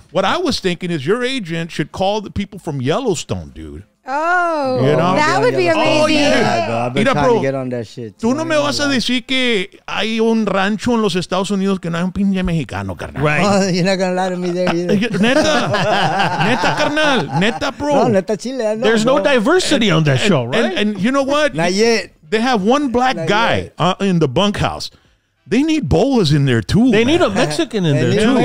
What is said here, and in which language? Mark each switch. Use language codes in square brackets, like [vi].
[en] What I was thinking is your agent should call the people from Yellowstone, dude. Oh, you know? That would be amazing. Oh, yeah. I've been trying to get on that shit. [es] Tú no me vas a decir que hay un rancho en los Estados Unidos que no hay un pinche mexicano, carnal. [en] Right. Oh, you're not going to lie to me there either. [es] Neta. Neta, carnal. Neta, bro. No, neta, Chile. No, [en] there's no diversity on that show, right? And you know what? Not yet. They have one black guy in the bunkhouse. They need BOAZ in there, too. They need a Mexican in there, too.